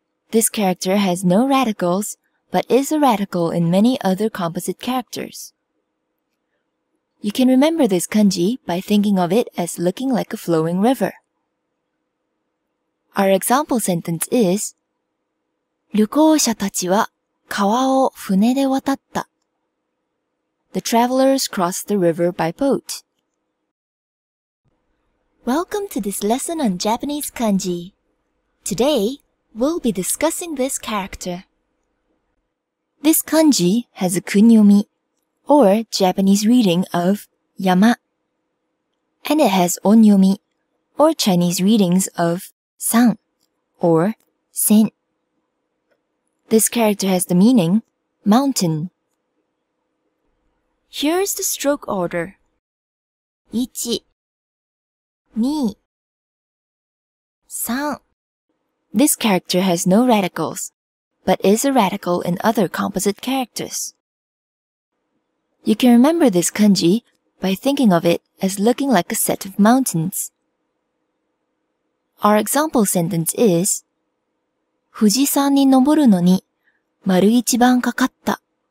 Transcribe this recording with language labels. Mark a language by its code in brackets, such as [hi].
[en] This character has no radicals, but is a radical in many other composite characters. You can remember this kanji by thinking of it as looking like a flowing river. Our example sentence is [ja] 旅行者たちは川を船で渡った. [en] The travelers crossed the river by boat. Welcome to this lesson on Japanese kanji. Today, we'll be discussing this character. This kanji has a kun-yomi, or Japanese reading of yama, and it has on-yomi, or Chinese readings of san, or sen. This character has the meaning mountain. Here is the stroke order. 1 2 3 This character has no radicals, but is a radical in other composite characters. You can remember this kanji by thinking of it as looking like a set of mountains. Our example sentence is [ja] 富士山に登るのに丸一番かかった。